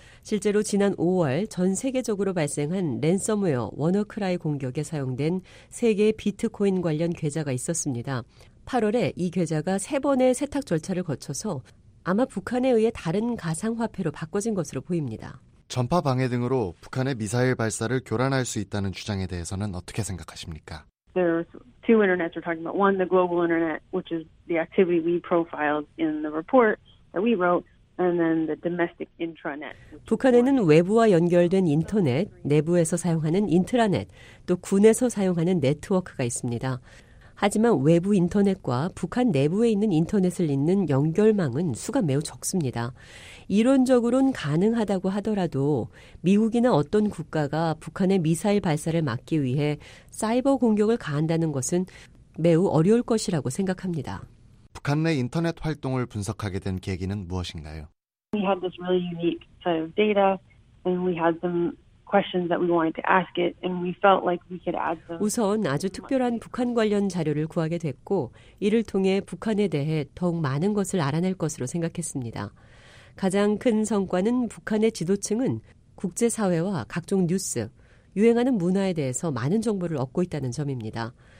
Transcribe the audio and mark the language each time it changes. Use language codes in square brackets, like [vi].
[ko] 실제로 지난 5월 전 세계적으로 발생한 랜섬웨어 워너크라이 공격에 사용된 3개의 비트코인 관련 계좌가 있었습니다. 8월에 이 계좌가 3번의 세탁 절차를 거쳐서 아마 북한에 의해 다른 가상화폐로 바꿔진 것으로 보입니다. 전파 방해 등으로 북한의 미사일 발사를 교란할 수 있다는 주장에 대해서는 어떻게 생각하십니까? [en] There are two internets we're talking about. One, the global internet, which is the activity we profiled in the report that we wrote. And then the domestic intranet. [ko] 북한에는 외부와 연결된 인터넷, 내부에서 사용하는 인트라넷, 또 군에서 사용하는 네트워크가 있습니다. 하지만 외부 인터넷과 북한 내부에 있는 인터넷을 잇는 연결망은 수가 매우 적습니다. 이론적으로는 가능하다고 하더라도 미국이나 어떤 국가가 북한의 미사일 발사를 막기 위해 사이버 공격을 가한다는 것은 매우 어려울 것이라고 생각합니다. 북한 내 인터넷 활동을 분석하게 된 계기는 무엇인가요? [en] We had this really unique set of data and we had some questions that we wanted to ask it and we felt like we could add them. [ko] 우선 아주 특별한 북한 관련 자료를 구하게 됐고 이를 통해 북한에 대해 더욱 많은 것을 알아낼 것으로 생각했습니다. 가장 큰 성과는 북한의 지도층은 국제사회와 각종 뉴스, 유행하는 문화에 대해서 많은 정보를 얻고 있다는 점입니다.